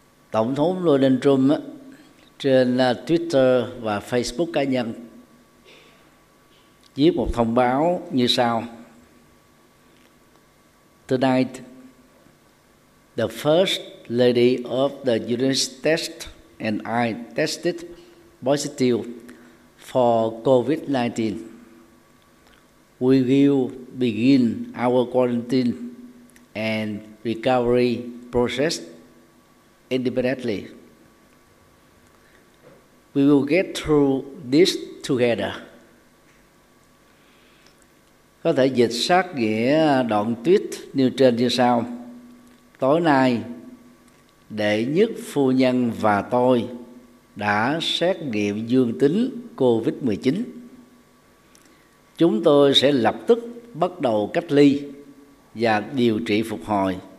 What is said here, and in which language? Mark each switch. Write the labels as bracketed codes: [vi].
[vi] Tổng thống Donald Trump trên Twitter và Facebook cá nhân viết một thông báo như sau: [en] "Tonight, the First Lady of the United States and I tested positive for COVID-19. We will begin our quarantine and recovery process independently. We will get through this together." [vi] Có thể dịch sát nghĩa đoạn tweet nêu trên như sau: "Tối nay, đệ nhất phu nhân và tôi đã xét nghiệm dương tính COVID-19. Chúng tôi sẽ lập tức bắt đầu cách ly và điều trị phục hồi.